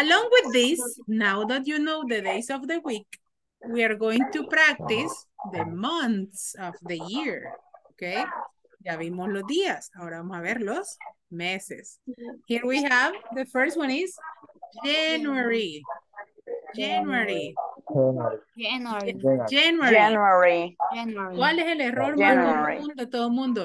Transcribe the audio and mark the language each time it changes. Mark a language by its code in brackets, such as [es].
[en] Along with this, now that you know the days of the week, we are going to practice the months of the year, okay? [es] Ya vimos los días, ahora vamos a ver los meses. [en] Here we have, the first one is January. [es] ¿Cuál es el error más común de todo el mundo?